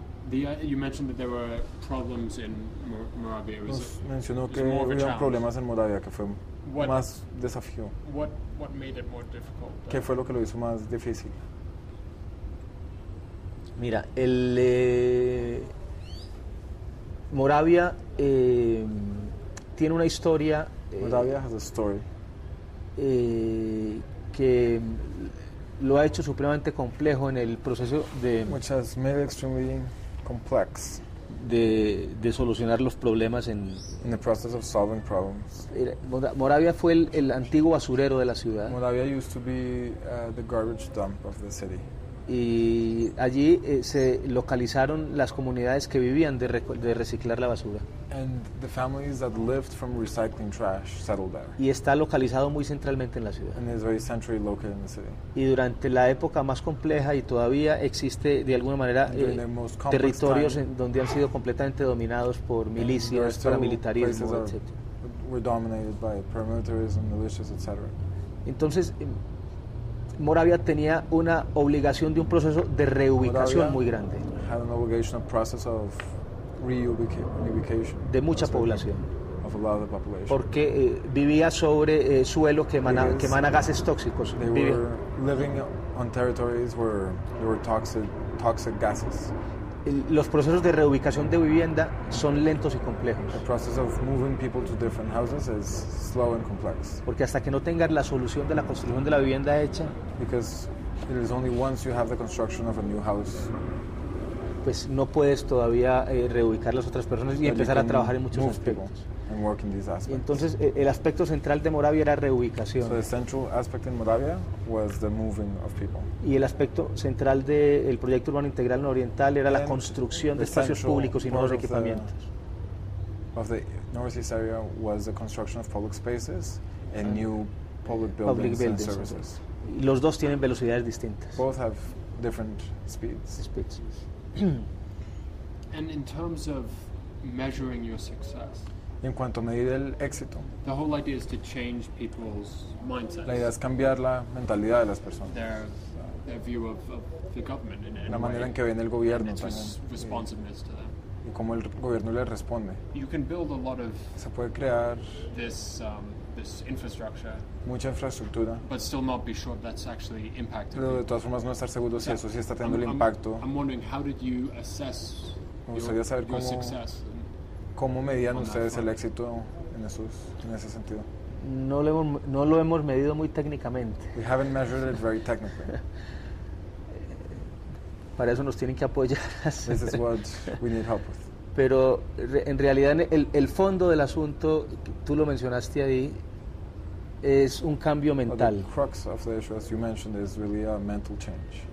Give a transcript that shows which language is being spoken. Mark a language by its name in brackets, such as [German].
[English] You mentioned that there were problems in Moravia. [Spanish] Mencionó que había problemas en Moravia, que fue más desafío. [English] What made it more difficult? [Spanish] ¿Qué fue lo que lo hizo más difícil? Mira, el Moravia tiene una historia. [English] Moravia has a story. [Spanish] Que lo ha hecho supremamente complejo en el proceso de [English] which has made extremely complex. [Spanish] de solucionar los problemas en [English] in the process of solving problems. [Spanish] Moravia fue el antiguo basurero de la ciudad. [English] Moravia used to be the garbage dump of the city. [Spanish] Y allí se localizaron las comunidades que vivían de reciclar la basura. [English] And the families that lived from recycling trash settled there. [Spanish] Y está localizado muy centralmente en la ciudad. [English] And is very centrally located in the city. [Spanish] Y durante la época más compleja y todavía existe de alguna manera territorios [English] time, [Spanish] en donde han sido completamente dominados por milicias, paramilitarismo, etc. [English] Were dominated by paramilitarism, militias, etc. [Spanish] Entonces Moravia tenía una obligación de un proceso de reubicación muy grande. [English] Had an obligation, a process of reubication. [Spanish] De mucha población. [English] Of a lot of the population. [Spanish] Porque vivía sobre suelo que emana, because que emana gases tóxicos. [English] They were living on territories where there were toxic gases. [Spanish] Los procesos de reubicación de vivienda son lentos y complejos. [English] The process of moving people to different houses is slow and complex. [Spanish] Porque hasta que no tengas la solución de la construcción de la vivienda hecha, [English] because it is only once you have the construction of a new house, [Spanish] pues no puedes todavía reubicar las otras personas y empezar a trabajar en muchos aspectos. [English] And work in these aspects. [Spanish] Entonces el aspecto central de Moravia era reubicación. [English] So the central aspect in Moravia was the moving of people. [Spanish] Y el aspecto central del proyecto urbano integral nororiental era [English] and [Spanish] la construcción de espacios públicos y nuevos equipamientos. [English] Of the northeast area was the construction of public spaces and new public buildings and services. [Spanish] Y los dos tienen velocidades distintas. [English] Both have different speeds. And in terms of measuring your success. [Spanish] En cuanto a medir el éxito, [English] the whole idea is to change people's mindsets. [Spanish] La idea es cambiar la mentalidad de las personas. [English] Their view of the government in [Spanish] la manera [English] way. [Spanish] En que ven el gobierno [English] responsiveness to them. [Spanish] Y cómo el gobierno le responde. [English] You can build a lot of [Spanish] se puede crear [English] this infrastructure, [Spanish] mucha infraestructura, [English] but still not be sure that's actually impacting [Spanish] pero de todas formas no estar seguro si eso sí está teniendo el impacto. [English] I'm wondering, how did you assess [Spanish] me gustaría saber cómo [English] success. [Spanish] ¿Cómo medían ustedes el éxito en ese sentido? No lo hemos medido muy técnicamente. [English] We haven't measured it very technically. [Spanish] Para eso nos tienen que apoyar. [English] This is what we need help with. [Spanish] Pero en realidad el fondo del asunto, tú lo mencionaste ahí, es un cambio mental. [English] But the crux of the issue, as you mentioned, is really a mental change.